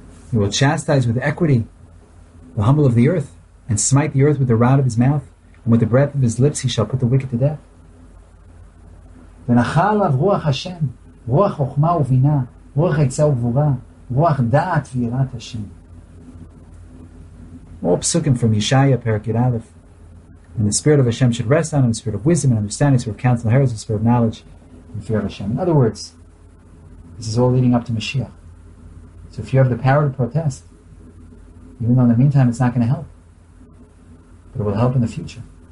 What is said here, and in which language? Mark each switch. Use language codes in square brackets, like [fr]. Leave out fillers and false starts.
[en] He will chastise with equity the humble of the earth, and smite the earth with the rod of his mouth, and with the breath of his lips he shall put the wicked to death. [he] ונחה עליו רוח השם, רוח חוכמה ובינה, רוח עצה וגבורה, רוח דעת ויראת השם. [en] All psukim from Yeshaya, Perek Yud Aleph. And the spirit of Hashem should rest on him, the spirit of wisdom and understanding, the spirit of counsel and heresy, the spirit of knowledge and fear of Hashem. In other words, this is all leading up to Mashiach. So if you have the power to protest, even though in the meantime it's not going to help, but it will help in the future.